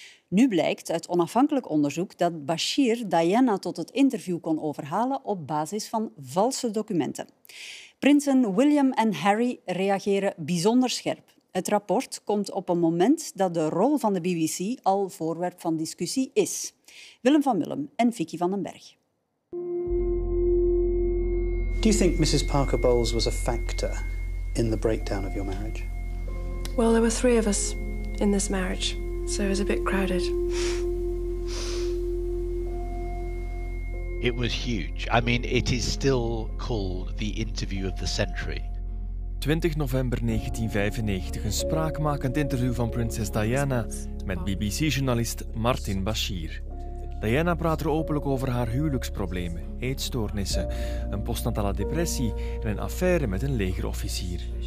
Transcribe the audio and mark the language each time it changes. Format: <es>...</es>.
<nl>Nu blijkt uit onafhankelijk onderzoek dat Bashir Diana tot het interview kon overhalen op basis van valse documenten. Prinsen William en Harry reageren bijzonder scherp. Het rapport komt op een moment dat de rol van de BBC al voorwerp van discussie is. Willem van Mullum en Vicky van den Berg.</nl> <en>Do you think Mrs. Parker Bowles was a factor in the breakdown of your marriage? Well, there were 3 of us in this marriage, so it was a bit crowded. It was huge. I mean, it is still called the interview of the century.</en> <nl>20 november 1995, een spraakmakend interview van prinses Diana met BBC-journalist Martin Bashir. Diana praat er openlijk over haar huwelijksproblemen, eetstoornissen, een postnatale depressie en een affaire met een legerofficier.</nl>